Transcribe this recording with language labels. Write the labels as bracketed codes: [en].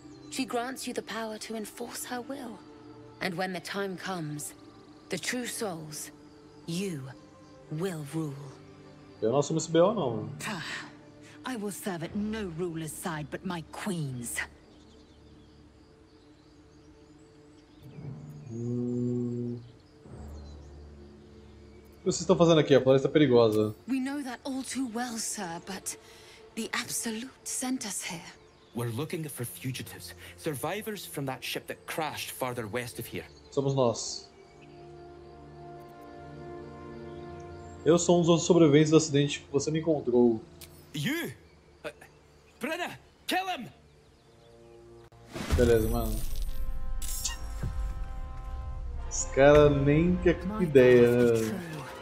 [en] She grants you the power to enforce her will. And when the time comes, the true souls, you will rule. [pt] Eu não assumo esse B.O. não. [en] I will serve at no ruler's side but my queen's. [pt] O que vocês estão fazendo aqui? A floresta é perigosa. [en] We know that all too well, sir, but the Absolute sent us here. We're looking for fugitives, survivors from that ship that crashed farther west of here. [pt] Somos nós. Eu sou um dos sobreviventes do acidente que você me encontrou. [en] You? Brynna, kill him! [pt] Beleza, mano. Os caras nem têm que ideia, né?